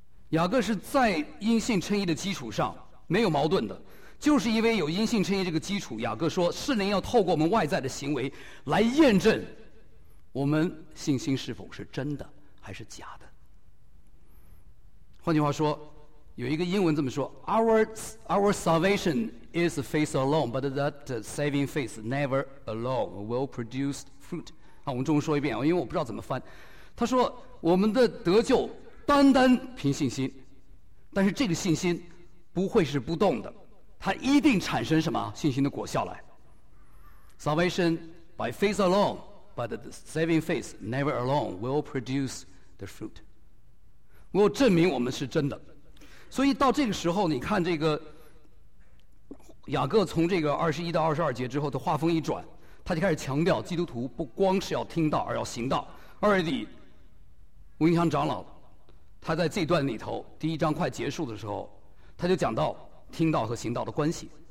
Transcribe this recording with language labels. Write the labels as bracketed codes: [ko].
[zh] 雅各是在因信称义的基础上没有矛盾的，就是因为有因信称义这个基础，雅各说圣灵要透过我们外在的行为来验证我们信心是否是真的还是假的。换句话说，有一个英文这么说， [en] Our salvation is faith alone, but that saving faith never alone will produce fruit. [zh] 好，我们中文说一遍，因为我不知道怎么翻。他说我们的得救单单凭信心，但是这个信心不会是不动的，它一定产生什么信心的果效来。 [en] Salvation by faith alone, but the saving faith never alone will produce the fruit. [zh] 我证明我们是真的。所以到这个时候，你看这个雅各从这个21-22之后的话锋一转，他就开始强调基督徒不光是要听到而要行道。二弟文强长老他在这段里头第一章快结束的时候，他就讲到听道和行道的关系。